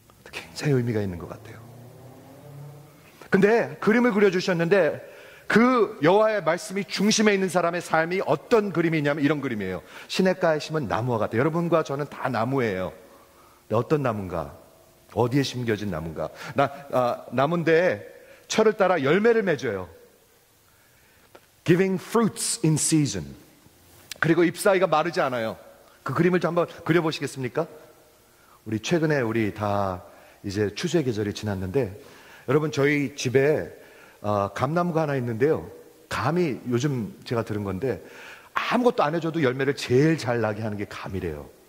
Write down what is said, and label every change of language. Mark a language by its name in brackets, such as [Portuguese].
[Korean] 굉장히 의미가 있는 것 같아요. 근데 그림을 그려주셨는데 그 여호와의 말씀이 중심에 있는 사람의 삶이 어떤 그림이냐면 이런 그림이에요. 시냇가에 심은 나무와 같아요. 여러분과 저는 다 나무예요. 근데 어떤 나무인가? 어디에 심겨진 나무인가? 나무인데 철을 따라 열매를 맺어요. [English] Giving fruits in season. [Korean] 그리고 잎사귀가 마르지 않아요. 그 그림을 한번 그려보시겠습니까? 우리 최근에 우리 다 이제 추수의 계절이 지났는데 여러분 저희 집에 감나무가 하나 있는데요. 감이 요즘 제가 들은 건데 아무것도 안 해줘도 열매를 제일 잘 나게 하는 게 감이래요.